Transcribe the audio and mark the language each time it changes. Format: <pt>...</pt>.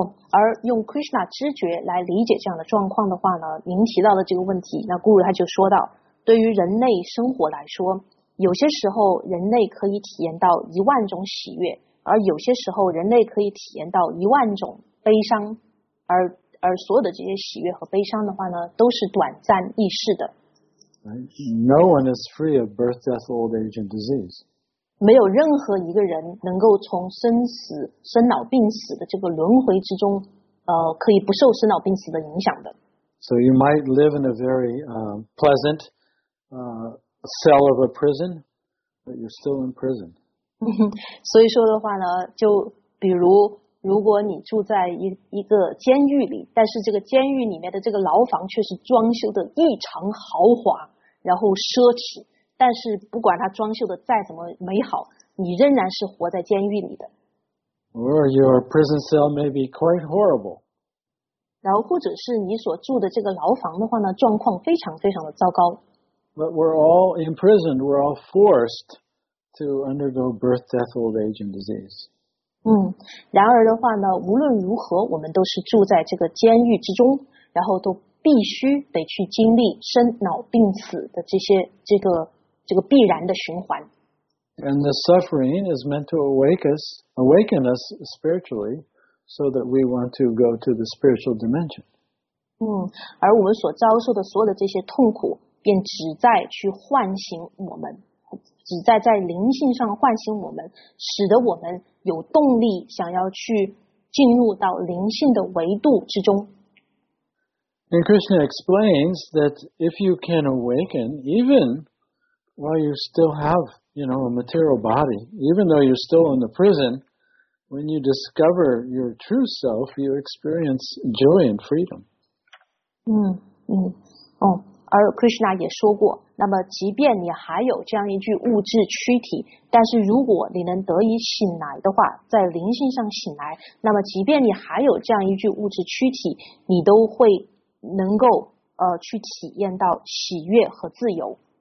<zh>而用 Krishna 知觉来理解这样的状况的话呢，您提到的这个问题，那 Guru 他就说到，对于人类生活来说，有些时候人类可以体验到一万种喜悦，而有些时候人类可以体验到一万种悲伤，而所有的这些喜悦和悲伤的话呢，都是短暂易逝的。</zh> <en>No one is free of birth, death, old age, and disease.</en> <zh>没有任何一个人能够从生死、生老病死的这个轮回之中，可以不受生老病死的影响的。</zh> <en>So you might live in a very pleasant cell of a prison, but you're still in prison.</en> <zh>所以说的话呢，就比如如果你住在一个监狱里，但是这个监狱里面的这个牢房却是装修的异常豪华，然后奢侈。但是不管它装修的再怎么美好，你仍然是活在监狱里的。</zh> <en>Or your prison cell may be quite horrible.</en> <zh>然后或者是你所住的这个牢房的话呢，状况非常非常的糟糕。</zh> <en>But we're all imprisoned, we're all forced to undergo birth, death, old age, and disease.</en> <zh>嗯，然而的话呢，无论如何，我们都是住在这个监狱之中，然后都必须得去经历生老病死的这个必然的循环。</zh> <en>And the suffering is meant to awaken us spiritually, so that we want to go to the spiritual dimension.</en> <zh>嗯，而我们所遭受的所有的这些痛苦，便旨在去唤醒我们，旨在在灵性上唤醒我们，使得我们有动力想要去进入到灵性的维度之中。</zh> <en>And Krishna explains that if you can awaken, even while you still have, you know, a material body, even though you're still in the prison, when you discover your true self, you experience joy and freedom. 嗯嗯哦，</en> <zh>而 Krishna 也说过，那么即便你还有这样一具物质躯体，但是如果你能得以醒来的话，在灵性上醒来，那么即便你还有这样一具物质躯体，你都会能够去体验到喜悦和自由。</zh>